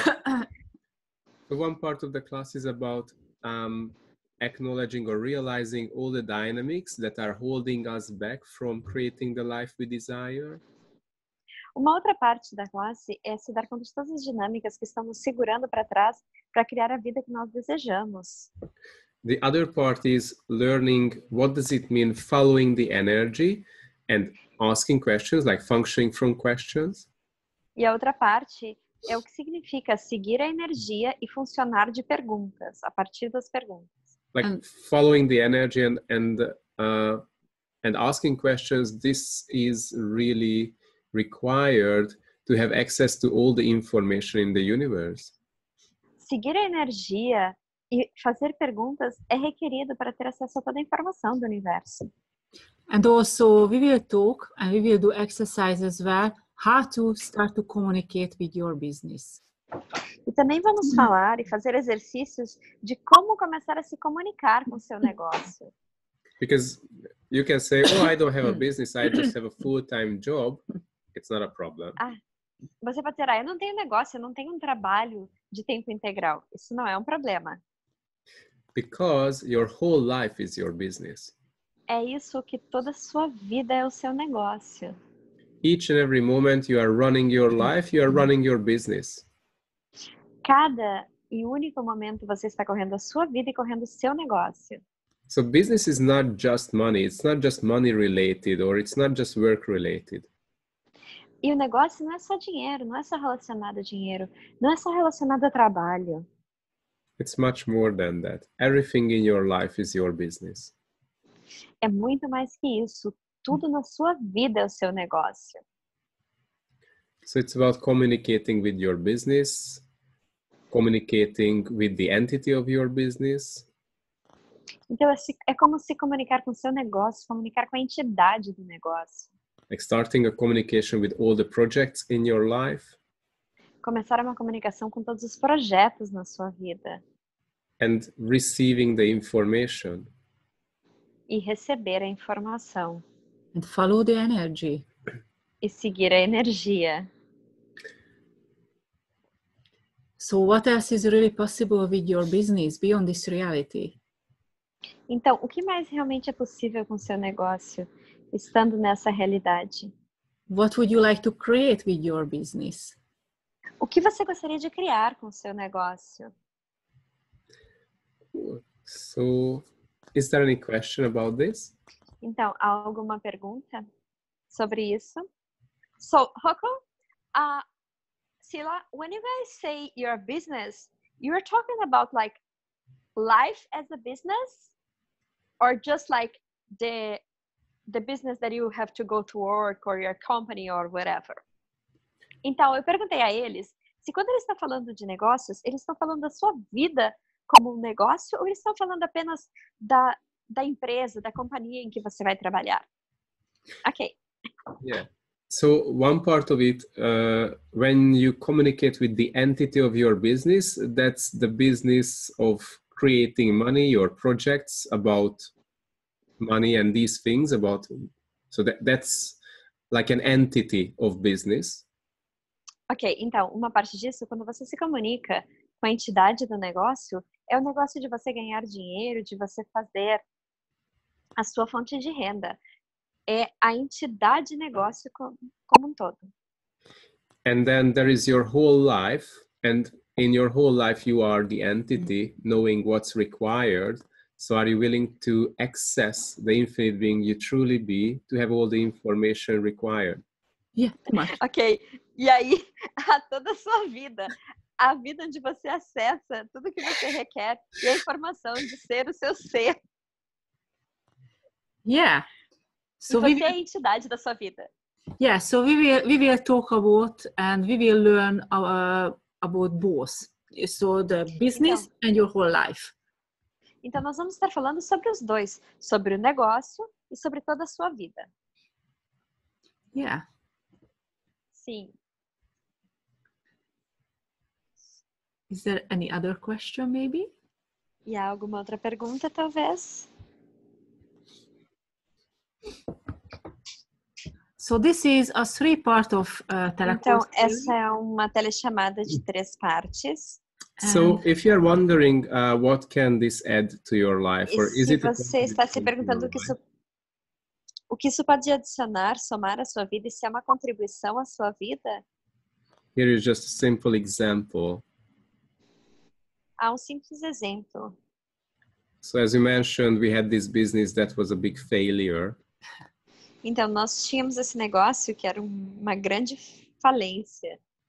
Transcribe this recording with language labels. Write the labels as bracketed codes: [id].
[en] Thank you. So one part of the class is about acknowledging or realizing all the dynamics that are holding us back from creating the life we desire. [pt] Uma outra parte da classe é se dar conta de todas as dinâmicas que estamos segurando para trás para criar a vida que nós desejamos. [en] The other part is learning what does it mean following the energy and asking questions, like functioning from questions. [pt] E a outra parte é o que significa seguir a energia e funcionar de perguntas, a partir das perguntas. [en] Like following the energy and asking questions, this is really required to have access to all the information in the universe. [pt] Seguir a energia e fazer perguntas é requerido para ter acesso a toda a informação do universo. [en] And also we will talk and we will do exercises as well how to start to communicate with your business. [pt] E também vamos falar e fazer exercícios de como começar a se comunicar com seu negócio. [en] Because you can say, oh, I don't have a business, I just have a full-time job. It's not a problem. [pt] Ah, você pode dizer, eu não tenho negócio, eu não tenho um trabalho de tempo integral. Isso não é um problema. [en] Because your whole life is your business. [pt] É isso que toda a sua vida é o seu negócio. [en] Each and every moment you are running your life, you are running your business. [pt] Cada e único momento você está correndo a sua vida e correndo o seu negócio. [en] So business is not just money. It's not just money related or it's not just work related. [pt] E o negócio não é só dinheiro, não é só relacionado a dinheiro, não é só relacionado a trabalho. [en] It's much more than that. Everything in your life is your business. [pt] É muito mais que isso. Tudo na sua vida é o seu negócio. [en] So it's about communicating with your business, communicating with the entity of your business. [pt] Então é como se comunicar com o seu negócio, comunicar com a entidade do negócio. [en] Like starting a communication with all the projects in your life. [pt] Começar uma comunicação com todos os projetos na sua vida. [en] And receiving the information. [pt] E receber a informação. [en] And follow the energy. [pt] E seguir a energia. [en] So what else is really possible with your business beyond this reality? [pt] Então, o que mais realmente é possível com o seu negócio? Estando nessa realidade. [en] What would you like to create with your business? [pt] O que você gostaria de criar com o seu negócio? [en] So, is there any question about this? [pt] Então, há alguma pergunta sobre isso? [en] So, Rocco, Sila, when you guys say your business, you're talking about like life as a business? Or just like the business that you have to go to work or your company or whatever. [pt] Então, eu perguntei a eles Se quando ele está falando de negócios, ele está falando da sua vida como um negócio ou ele está falando apenas da empresa, da companhia em que você vai trabalhar? [en] Ok. Yeah. So one part of it, when you communicate with the entity of your business, that's the business of creating money, your projects about money and these things about, so that's like an entity of business. [pt] Ok, então, uma parte disso, quando você se comunica com a entidade do negócio, é o negócio de você ganhar dinheiro, de você fazer a sua fonte de renda. É a entidade negócio como um todo. [en] And then there is your whole life, and in your whole life you are the entity, knowing what's required. So are you willing to access the infinite being you truly be to have all the information required? Yeah, [pt] ok. E aí, a toda a sua vida, a vida onde você acessa tudo que você requer e a informação de ser o seu ser. [en] Yeah. [pt] So você é a entidade da sua vida. [en] Yeah, so we will talk about and we will learn about both. So the business então, and your whole life. [pt] Então nós vamos estar falando sobre os dois, sobre o negócio e sobre toda a sua vida. [en] Yeah. [pt] Sim. [en] Is there any other question, maybe? [pt] E há alguma outra pergunta, talvez? [en] So this is a three part of telecourse. [pt] Então, essa é uma telechamada de três partes. [en] So if you are wondering what can this add to your life, or is it [pt] você está se perguntando o que isso pode adicionar, somar à sua vida e se é uma contribuição à sua vida? [en] Here is just a simple example. [pt] Há um simples exemplo. [en] So as you mentioned, we had this business that was a big failure. [pt] Então, nós tínhamos esse negócio que era uma grande falência.